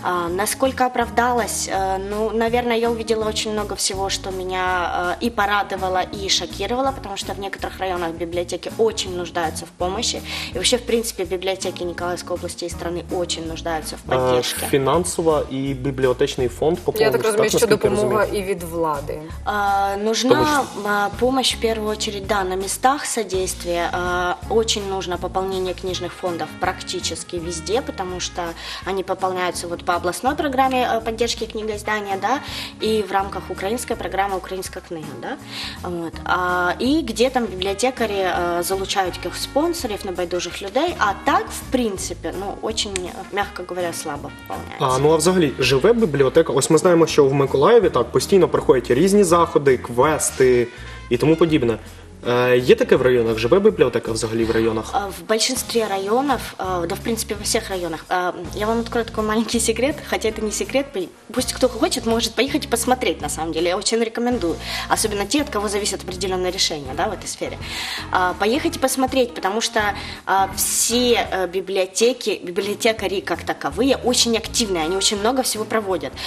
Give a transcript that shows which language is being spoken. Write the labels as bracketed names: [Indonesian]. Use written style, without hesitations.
[Russian] Насколько оправдалась? Ну, наверное, я увидела очень много всего, что меня и порадовало, и шокировало, потому что в некоторых районах библиотеки очень нуждаются в помощи. И вообще, в принципе, библиотеки дети Николаевской области и страны очень нуждаются в поддержке. [Ukrainian] Фінансова і бібліотечний фонд поповнюють. Я так розумію, що допомога і від влади. [Russian] Нужна помощь в первую очередь, да, на местах содействие. Очень нужно пополнение книжных фондов практически везде, потому что они пополняются вот по областной программе поддержки книгоиздания, да, и в рамках украинской программы «Украинская книга», да. Вот. И где там библиотекари залучают их спонсоров, [Ukrainian] на байдужих людей, [Russian] а так, в принципе, ну, очень, мягко говоря, слабо пополняется. [Ukrainian] Ну, а взагалі, живе бібліотека? Ось ми знаємо, що в Миколаєві так постійно проходять різні заходи, квести і тому подібне. Є таке в районах? Живе бібліотека взагалі в районах? [Russian] В большинстве районов, да, в принципе, во всех районах. Я вам открою такой маленький секрет, хотя это не секрет. Пусть кто хочет, может поехать и посмотреть, на самом деле. Я очень рекомендую. Особенно те, от кого зависят определенные решения, да, в этой сфере. Поехать и посмотреть, потому что все библиотеки, библиотекари как таковые, очень активные, они очень много всего проводят.